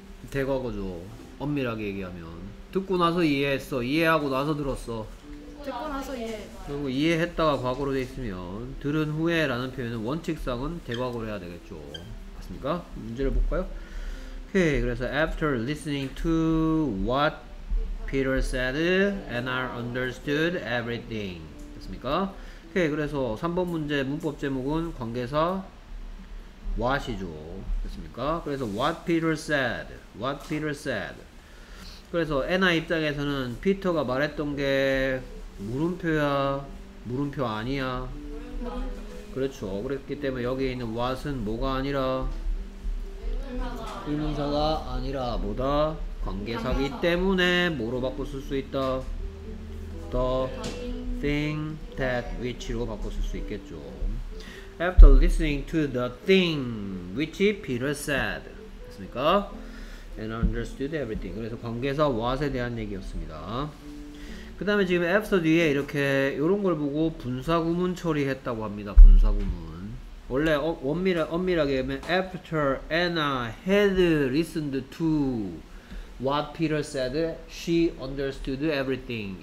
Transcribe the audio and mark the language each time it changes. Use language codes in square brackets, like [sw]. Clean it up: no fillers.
[ko] 대과거죠. 엄밀하게 얘기하면. 듣고 나서 이해했어. 이해하고 나서 들었어. 듣고 나서 그리고 이해했다가 과거로 돼 있으면, 들은 후에라는 표현은 원칙상은 대과거로 해야 되겠죠. 맞습니까? 문제를 볼까요? 오케이. 그래서 [en] after listening to what Peter said, Anna understood everything. [ko] 됐습니까? 오케이. 그래서 3번 문제 문법 제목은 관계사 what이죠. 됐습니까? 그래서 what Peter said, what Peter said. 그래서 Anna 입장에서는 피터가 말했던 게 물음표야, 물음표 아니야. 그렇죠. 그렇기 때문에 여기에 있는 what은 뭐가 아니라 의문사가 아니라 뭐다? 관계사기 때문에 뭐로 바꿔 쓸 수 있다? [en] The thing that which로 [ko] 바꿔 쓸 수 있겠죠. [en] After listening to the thing which Peter said, [ko] 됐습니까? [en] And understood everything. [ko] 그래서 관계사 what에 대한 얘기였습니다. 그 다음에 지금 after 뒤에 이렇게 이런 걸 보고 분사구문 처리했다고 합니다. 분사구문. 원래 엄밀하게 하면 [en] after Anna had listened to what Peter said, she understood everything.